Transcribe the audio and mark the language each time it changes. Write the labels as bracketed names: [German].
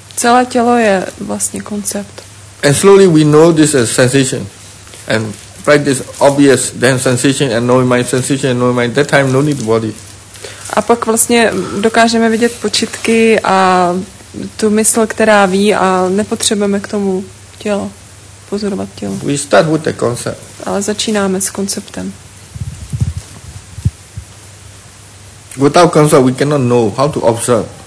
[Czech] Celé tělo je vlastně koncept. [English] And slowly we know this as sensation. And practice obvious, then sensation and knowing mind, sensation and knowing mind. That time no need body. [Czech] A pak vlastně dokážeme vidět počitky a tu mysl, která ví, a nepotřebujeme k tomu tělo, pozorovat tělo. [English] We start with the concept. [Czech] Ale začínáme s konceptem. [English] Without concept, we cannot know how to observe.